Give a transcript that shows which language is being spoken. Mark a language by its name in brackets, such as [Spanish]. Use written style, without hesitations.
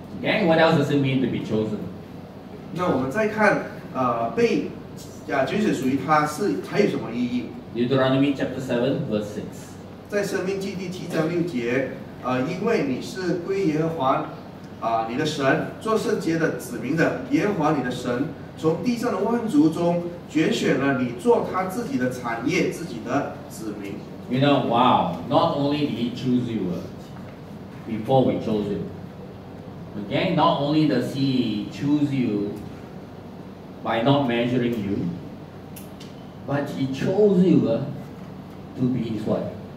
[English] Okay, what else does it mean to be chosen? [Chinese] 那我们再看被。就是属于他是还有什么意义 [English] Deuteronomy chapter 7 verse 6 [Chinese] 在生命记第7章6节因为你是归耶和华你的神做圣洁的子民的耶和华你的神从地上的万族中拣选了你做他自己的产业自己的子民 [English] You know, wow, not only did he choose you before we chose him Okay, not only does he choose youby not measuring you, but He chose you to be His what?